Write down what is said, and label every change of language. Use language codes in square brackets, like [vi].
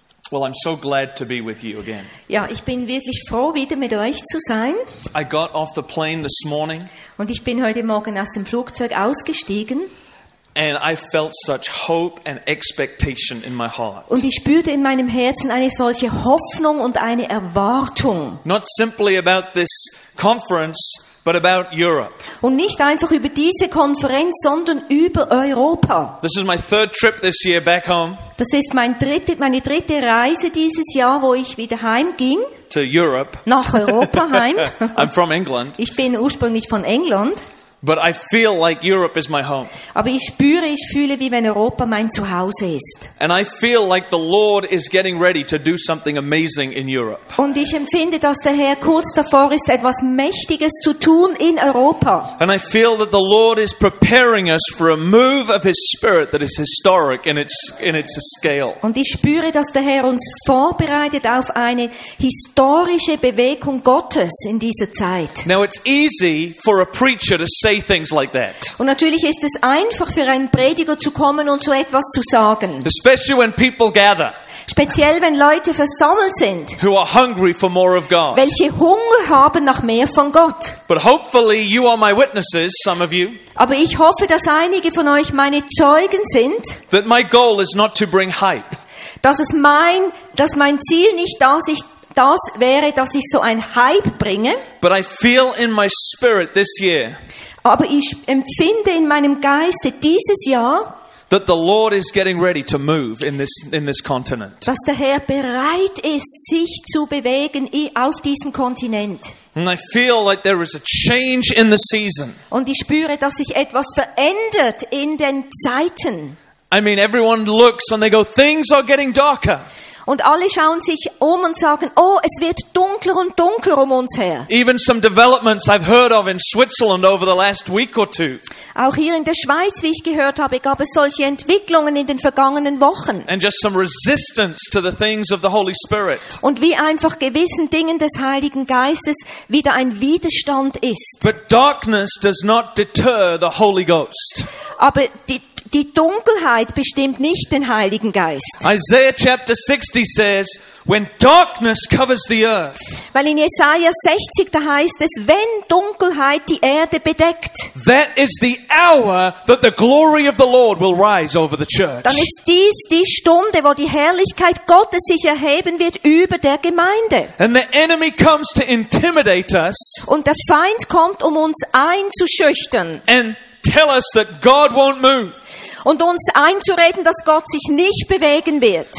[en] Well, I'm so glad to be with you again. [de] Ja, ich bin wirklich froh, wieder mit euch zu sein. [en] I got off the plane this morning. [de] Und ich bin heute Morgen aus dem Flugzeug ausgestiegen. [en] And I felt such hope and expectation in my heart. [de] Und ich spürte in meinem Herzen eine solche Hoffnung und eine Erwartung. [en] Not simply about this conference, but about Europe. [de] Und nicht einfach über diese Konferenz, sondern über Europa. [en] This is my third trip this year back home. [de] Das ist meine dritte Reise dieses Jahr, wo ich wieder heimging. [en] To Europe. [de] Nach Europa heim. [en] I'm from England. [de] Ich bin ursprünglich von England. [en] But I feel like Europe is my home. [de] Aber ich fühle, wie wenn Europa mein Zuhause ist. [en] And I feel like the Lord is getting ready to do something amazing in Europe. [de] Und ich empfinde, dass der Herr kurz davor ist, etwas Mächtiges zu tun in Europa. [en] And I feel that the Lord is preparing us for a move of His Spirit that is historic in its scale. [de] Und ich spüre, dass der Herr uns vorbereitet auf eine historische Bewegung Gottes in dieser Zeit. [en] Now it's easy for a preacher to say things like that. [de] Und natürlich ist es einfach für einen Prediger zu kommen und so etwas zu sagen. [en] Especially when people gather. [de] Speziell wenn Leute versammelt sind. [en] Who are hungry for more of God. [de] Welche Hunger haben nach mehr von Gott. [en] But hopefully you are my witnesses, some of you. [de] Aber ich hoffe, dass einige von euch meine Zeugen sind. [en] That my goal is not to bring hype. [de] Dass mein Ziel nicht das wäre, dass ich so ein Hype bringe. [en] But I feel in my spirit this year. [de] Aber ich empfinde in meinem Geiste dieses Jahr, [en] that the Lord is getting ready to move in this continent. [de] Dass der Herr bereit ist, sich zu bewegen auf diesem Kontinent. [en] And I feel like there is a change in the season. [de] Und ich spüre, dass sich etwas verändert in den Zeiten. [en] I mean, everyone looks and they go, things are getting darker. [de] Und alle schauen sich um und sagen, oh, es wird dunkler und dunkler um uns her. [en] Even some developments I've heard of in Switzerland over the last week or two. [de] Auch hier in der Schweiz, wie ich gehört habe, gab es solche Entwicklungen in den vergangenen Wochen. [en] And just some resistance to the things of the Holy Spirit. [de] Und wie einfach gewissen Dingen des Heiligen Geistes wieder ein Widerstand ist. [en] But darkness does not deter the Holy Ghost. [de] Aber die Dunkelheit bestimmt nicht den Heiligen Geist. [en] Isaiah chapter 60 says, when darkness covers the earth. [de] Weil in Jesaja 60 da heißt es, wenn Dunkelheit die Erde bedeckt. [en] That is the hour that the glory of the Lord will rise over the church. [de] Dann ist dies die Stunde, wo die Herrlichkeit Gottes sich erheben wird über der Gemeinde. [en] And the enemy comes to intimidate us. [de] Und der Feind kommt, um uns einzuschüchtern. [en] And tell us that God won't move. [de] Und uns einzureden, dass Gott sich nicht bewegen wird.